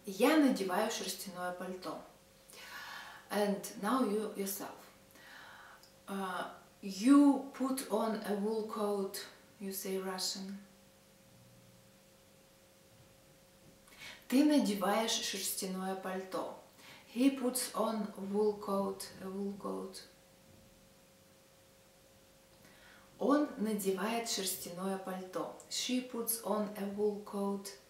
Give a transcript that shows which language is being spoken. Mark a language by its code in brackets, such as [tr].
[ru] Я надеваю шерстяное пальто. [en] And now you yourself. You put on a wool coat, you say Russian. [ru] Ты надеваешь шерстяное пальто. [en] He puts on wool coat, a wool coat. [ru] Он надевает шерстяное пальто. [en] She puts on a wool coat.